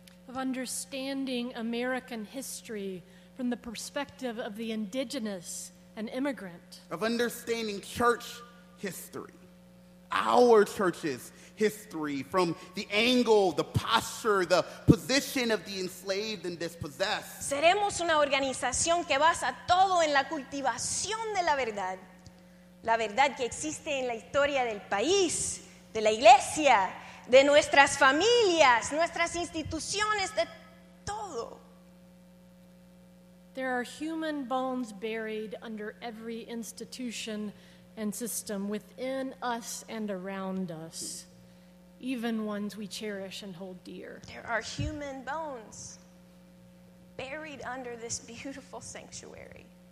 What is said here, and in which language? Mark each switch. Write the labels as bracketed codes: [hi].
[en] Of understanding American history from the perspective of the indigenous and immigrant. Of understanding church history. Our church's history from the angle, the posture, the position of the enslaved and dispossessed. [es] Seremos una organización que basa todo en la cultivación de la verdad que existe en la historia del país, de la iglesia, de nuestras familias, nuestras instituciones, de todo. [en] There are human bones buried under every institution and system within us and around us, even ones we cherish and hold dear. There are human bones buried under this beautiful sanctuary.